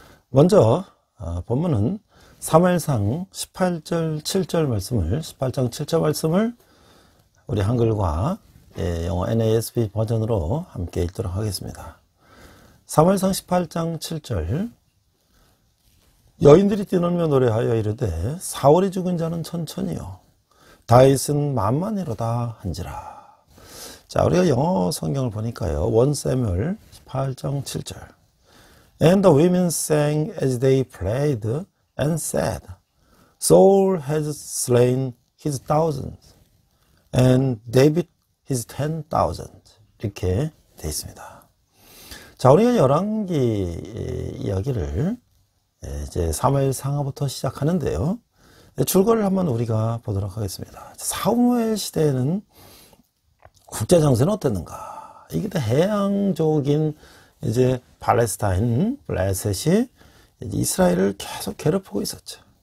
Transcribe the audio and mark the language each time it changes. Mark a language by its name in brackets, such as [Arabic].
[Korean] 먼저 본문은 사무엘상 18절 7절 말씀을 18장 7절 말씀을 우리 한글과 영어 NASB 버전으로 함께 읽도록 하겠습니다. 사무엘상 18장 7절 여인들이 뛰놀며 노래하여 이르되 사울이 죽은 자는 천천이요 다윗은 만만이로다 한지라. 자, 우리가 영어 성경을 보니까요. 1 사무엘 18장 7절. [English] And the women sang as they played and said, Saul has slain his thousands and David his 10,000. [Korean] 이렇게 돼 있습니다. 자, 우리가 열왕기 이야기를 이제 사무엘 상하부터 시작하는데요. 출거를 한번 우리가 보도록 하겠습니다. 사무엘 시대에는 국제 정세는 어땠는가? 이게 다 해양족인 이제 팔레스타인 블레셋이 이스라엘을 계속 괴롭히고 있었죠.